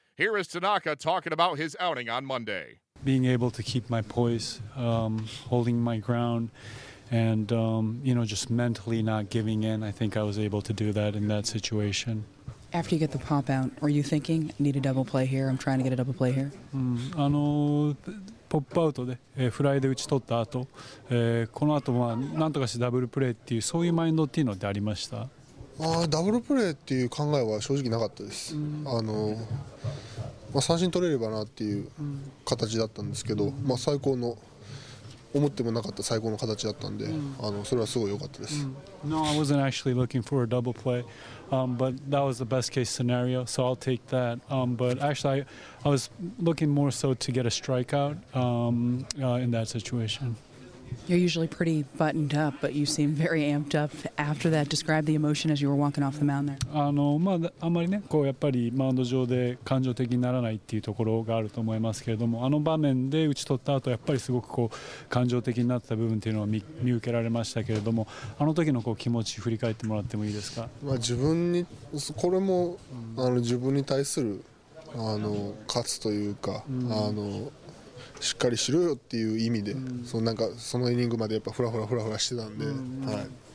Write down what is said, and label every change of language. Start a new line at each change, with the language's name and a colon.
English: Here is Tanaka talking about his outing on Monday. Being able to keep my poise, holding my ground, and just mentally not giving in, I think I was able to do that in that situation. After you get the pop out, are you thinking, I need a double play here, I'm trying to get a double play here?
Japanese: ポップアウトで、フライで打ち取った後、この後まあなんとかしてダブルプレーっていうそういうマインドっていうのでありました。ああダブルプレーっていう考えは正直なかったです。三振取れればなっていう形だったんですけど、最高の思ってもなかった最高の形だったんで、それはすごい良かったです。
English: No, I wasn't actually looking for a double play, but that was the best case scenario, so I'll take that. But actually, I was looking more so to get a strikeout in that situation. You're usually pretty buttoned up, but you seem very amped up after that. Describe the emotion as you were walking off the mound there.
Japanese: あまりね、こうやっぱりマウンド上で感情的にならないっていうところがあると思いますけれども、あの場面で打ち取った後、やっぱりすごくこう感情的になった部分っていうのは見受けられましたけれども、あの時のこう気持ち振り返ってもらってもいいですか。自分にこれも自分に対する勝つというか、しっかりしろよっていう意味で、そのなんかそのイニングまでやっぱフラフラフラフラしてたんで、はい。